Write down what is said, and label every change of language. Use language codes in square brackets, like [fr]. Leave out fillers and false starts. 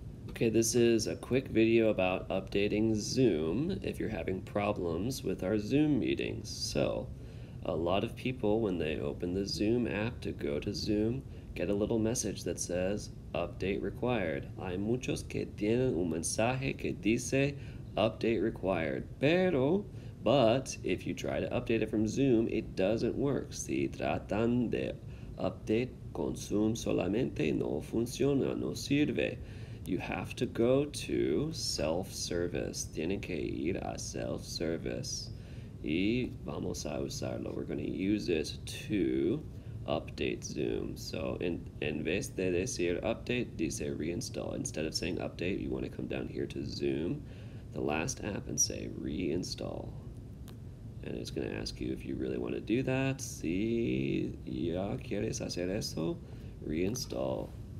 [en] Okay, this is a quick video about updating Zoom if you're having problems with our Zoom meetings. So, a lot of people, when they open the Zoom app to go to Zoom, get a little message that says, update required. [es] Hay muchos que tienen un mensaje que dice, update required. [en] But if you try to update it from Zoom, it doesn't work. [es] Si tratan de update con Zoom solamente, no funciona, no sirve. [en] You have to go to self-service. [es] Tienen que ir a self-service. [en] Y vamos a usarlo. We're going to use it to update Zoom. [es] So en vez de decir update, dice reinstall. [en] Instead of saying update, you want to come down here to Zoom, the last app, and say reinstall. And it's going to ask you if you really want to do that. [es] Si ya quieres hacer eso, [en] reinstall.